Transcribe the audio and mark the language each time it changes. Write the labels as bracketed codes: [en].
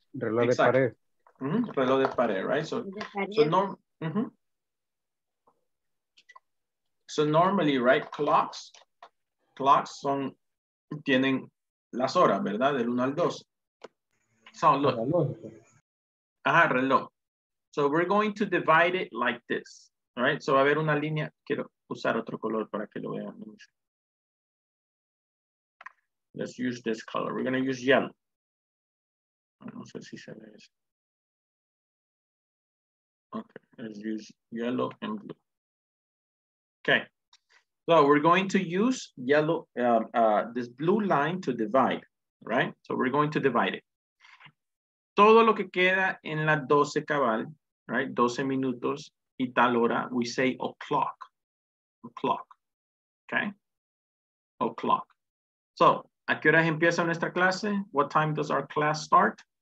[es] Reloj [en] exactly. [es] De pared. Mm-hmm. Reloj de pared, [en] right? So no. [es] Mm-hmm. [en] So normally, right, clocks [es] son, tienen las horas, ¿verdad? Del 1 al 2. [en] So look. [es] Reloj. [en] So we're going to divide it like this. All right. So [es] va a haber una línea. Quiero usar otro color para que lo vean. [en] Let's use this color. We're going to use yellow. [es] No sé si se ve eso. [en] Okay. Let's use yellow and blue. Okay. So we're going to use yellow, this blue line to divide, right? So we're going to divide it. [es] Todo lo que queda en la 12 cabal, [en] right? [es] 12 minutos y tal hora, [en] we say o'clock, o'clock, okay? O'clock. So, [es] ¿a qué horas empieza nuestra clase? [en] What time does our class start?